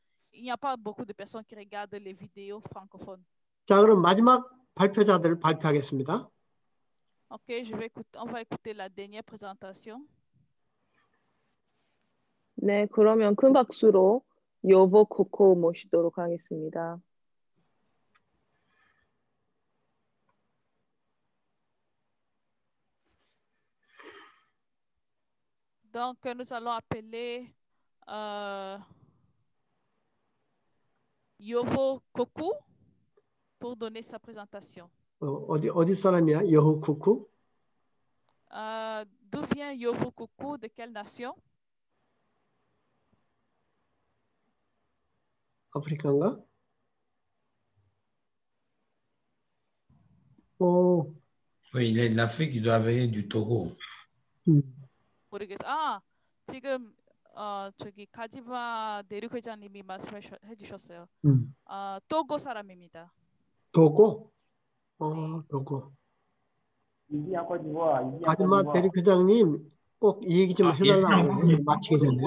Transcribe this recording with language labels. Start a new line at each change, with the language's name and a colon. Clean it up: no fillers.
French: Il n'y a pas beaucoup de personnes qui regardent les vidéos francophones.
Korean: 자, 그럼 마지막 발표자들 발표하겠습니다.
French: OK, on va écouter la dernière présentation.
Korean: 네, 그러면 큰 박수로 여보 코코 모시도록 하겠습니다. 그럼
French: nous allons appeler Yovo Koku pour donner sa présentation.
Korean: 어디 사람이야? 여호 쿠쿠?
French: D'où vient Yovo Koku? De quelle nation?
Korean: 아프리카인가? 어.
French: Oui, il est de l'Afrique, il doit venir du Togo.
Korean: 모르겠어. 아, 지금 저기 카지마 대륙 회장님이 말씀해 주셨어요. 토고 사람입니다. 토고? 그렇고. 마지막 대리 회장님 꼭 이 얘기 좀 해달라고 마치게 됐네.